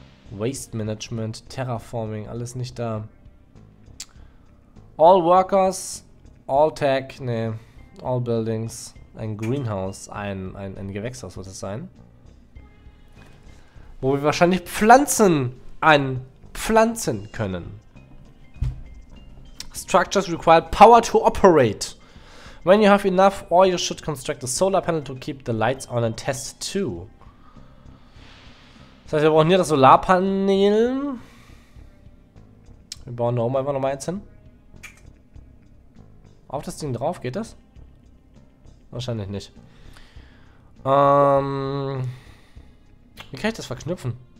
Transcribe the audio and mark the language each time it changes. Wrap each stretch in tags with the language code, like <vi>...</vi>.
<de>Waste Management, Terraforming, alles nicht da. All Workers, All Tech, nee, All Buildings, ein Greenhouse, ein Gewächshaus wird es sein. Wo wir wahrscheinlich Pflanzen anpflanzen können.</de> <en>Structures require power to operate. When you have enough, or you should construct a solar panel to keep the lights on and test too.</en> <de>Das heißt, wir brauchen hier das Solarpanel. Wir bauen da oben einfach nochmal eins hin. Auf das Ding drauf, geht das? Wahrscheinlich nicht. Wie kann ich das verknüpfen?</de>